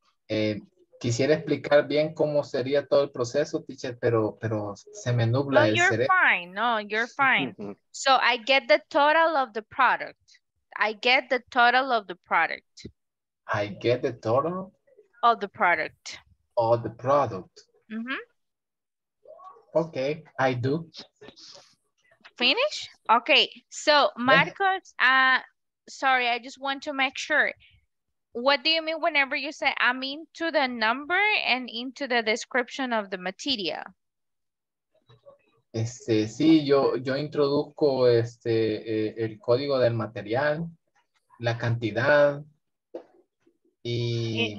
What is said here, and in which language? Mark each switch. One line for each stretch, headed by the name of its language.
Spanish: Quisiera explicar bien cómo sería todo el proceso, teacher, pero se me nubla el cerebro.
English: No, you're fine. So I get the total of the product. I get the total of the product. Of the product. Mm-hmm. Okay, I do. Finish? Okay, so Marcos, sorry, I just want to make sure. What do you mean whenever you say I'm into the number and into the description of the material?
Spanish: Sí, yo introduzco el código del material, la cantidad, y...